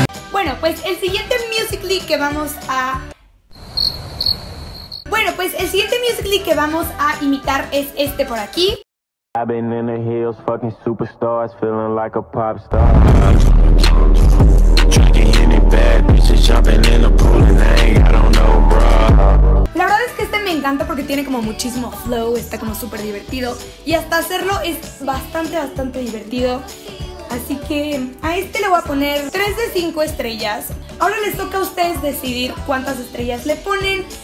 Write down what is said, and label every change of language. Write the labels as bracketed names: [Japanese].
[Spanish] Bueno, pues el siguiente Musical.ly que vamos a... Bueno, pues el siguiente Musical.ly que vamos a imitar es este por aquí. [English] I've been in the hills, fucking superstars, feeling like a pop star. [Spanish] La verdad es que este me encanta porque tiene como muchísimo flow, está como súper divertido. Y hasta hacerlo es bastante, bastante divertido. Así que a este le voy a poner 3 de 5 estrellas. Ahora les toca a ustedes decidir cuántas estrellas le ponen.